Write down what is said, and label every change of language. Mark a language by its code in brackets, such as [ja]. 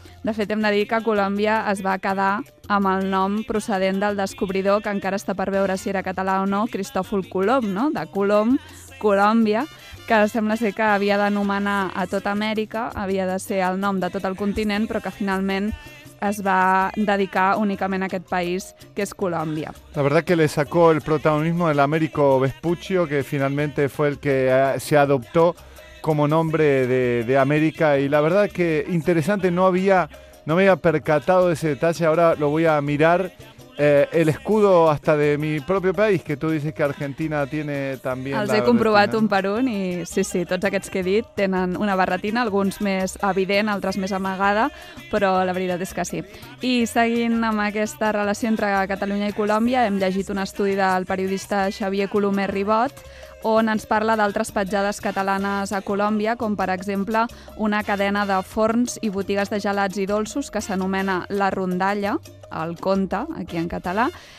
[ca] De fet, hem de dir que Colòmbia es va quedar amb el nom procedent del descobridor, que encara està per veure si era català o no, Cristòfol Colom, no? De Colom, Colòmbia, que sembla ser que havia d'anomenar a tota Amèrica, havia de ser el nom de tot el continent, però que finalment es va dedicar únicament a aquest país, que és Colòmbia. [es] La verdad que le sacó el protagonismo el Américo Vespuccio, que finalmente fue el que se adoptó como nombre de América, y la verdad que interesante, no me había percatado de ese detalle. Ahora lo voy a mirar, el escudo hasta de mi propio país, que tú dices que Argentina tiene también. [ca] Els he comprovat un per un, i sí, tots aquests que he dit tenen una barretina, alguns més evident, altres més amagada, però la veritat és que sí. I seguint amb aquesta relació entre Catalunya i Colòmbia, hem llegit un estudi del periodista Xavier Colomer Ribot, on ens parla d'altres petjades catalanes a Colòmbia, com per exemple una cadena de forns i botigues de gelats i dolços que s'anomena La Rondalla, el Conte, aquí en català.